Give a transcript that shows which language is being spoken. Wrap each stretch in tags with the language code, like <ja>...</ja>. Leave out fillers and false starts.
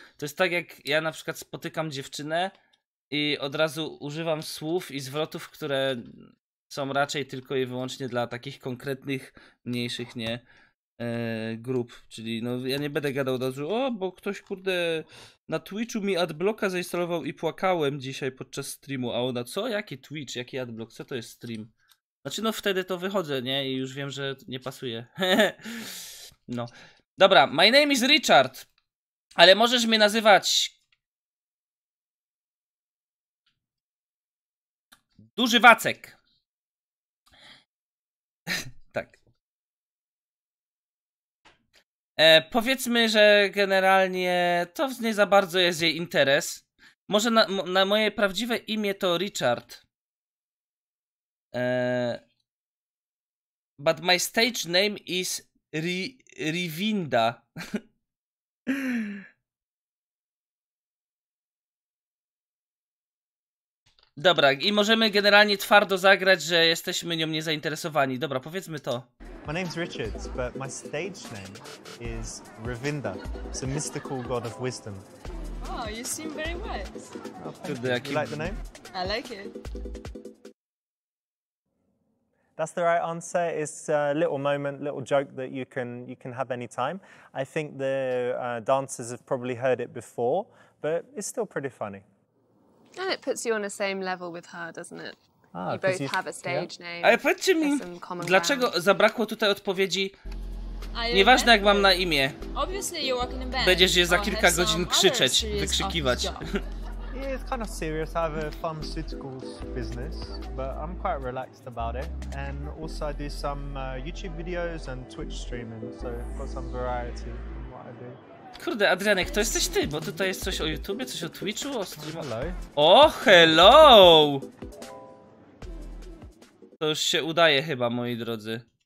<pl>To jest tak, jak ja na przykład spotykam dziewczynę i od razu używam słów i zwrotów, które są raczej tylko i wyłącznie dla takich konkretnych, mniejszych, nie, grup. Czyli no, ja nie będę gadał od razu, o, bo ktoś, kurde, na Twitchu mi adblocka zainstalował i płakałem dzisiaj podczas streamu. A ona, co? Jaki Twitch? Jaki adblock? Co to jest stream? Znaczy, no wtedy to wychodzę, nie? I już wiem, że nie pasuje. No.</pl> <en>Dobra, my name is Richard.</en> <pl>Ale możesz mnie nazywać... Duży Wacek. Tak. Powiedzmy, że generalnie to nie za bardzo jest jej interes. Może na moje prawdziwe imię to Richard.</pl> <en>But my stage name is Rivinda.</en> <pl>Dobra, i możemy generalnie twardo zagrać, że jesteśmy nią niezainteresowani. Dobra, powiedzmy to.</pl> <en>My name's Richard, but my stage name is Rivinda. It's a mystical god of wisdom. Oh, you seem very wise. Do you like the name? I like it. That's the right answer. It's a little moment, little joke that you can have any time. I think the dancers have probably heard it before, but it's still pretty funny. And it puts you on the same level with her, doesn't it? You both have a stage name.</en> <pl>Ale powiedzcie mi, dlaczego zabrakło tutaj odpowiedzi? Nieważne jak mam na imię.</pl> <en>Obviously you work in a band.</en> <pl>Będziesz je za kilka godzin krzyczeć, wykrzykiwać.</pl> <en>Yeah, it's kind of serious. I have a pharmaceuticals business, but I'm quite relaxed about it. And also I do some YouTube videos and Twitch streaming, so I've got some variety in what I do.</en> <pl>Kurde, Adrianek, to jesteś ty, bo tutaj jest coś o YouTubie, coś o Twitchu, o streamu.</pl> <en>Hello. O, hello!</en> <pl>To już się udaje chyba, moi drodzy.</pl>